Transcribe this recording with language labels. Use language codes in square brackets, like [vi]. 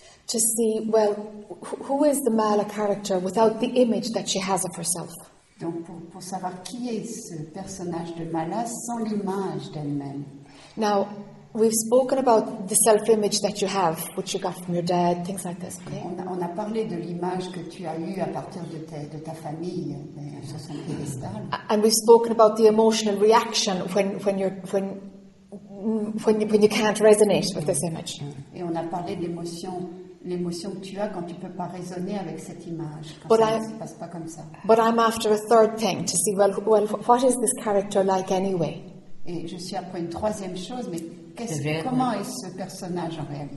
[en] To see, well, who is the Mala character without the image that she has of herself? [fr] Donc pour savoir qui est ce personnage de Mala sans l'image d'elle-même. [en] Now, we've spoken about the self-image that you have, which you got from your dad, things like this, okay? [fr] On a parlé de l'image que tu as eue à partir de ta famille, sur son pédestal. [en] And we've spoken about the emotional reaction when you can't resonate with this image. [fr] Et on a parlé de l'émotion que tu as quand tu peux pas résonner avec cette image, ça se passe pas comme ça. [en] But I'm after a third thing, to see, well, what is this character like anyway? [fr] Et je suis après une troisième chose, mais comment est ce personnage en réalité?